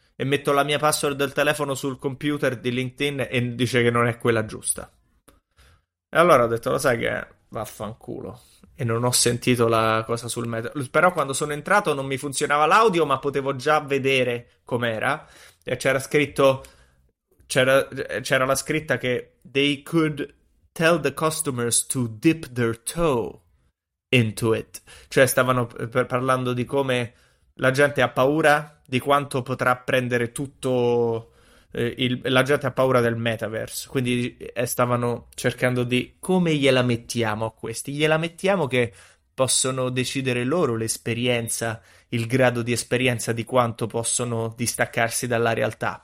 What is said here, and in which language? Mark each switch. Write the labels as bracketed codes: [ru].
[it] E metto la mia password del telefono sul computer di LinkedIn e dice che non è quella giusta. E allora ho detto, lo sai che è? Vaffanculo. E non ho sentito la cosa sul metro. Però quando sono entrato non mi funzionava l'audio, ma potevo già vedere com'era. E c'era scritto... C'era la scritta che... [en] They could tell the customers to dip their toe into it. [it] Cioè stavano parlando di come... La gente ha paura di quanto potrà prendere tutto... la gente ha paura del metaverse. Quindi stavano cercando di... Come gliela mettiamo a questi? Gliela mettiamo che possono decidere loro l'esperienza, il grado di esperienza di quanto possono distaccarsi dalla realtà.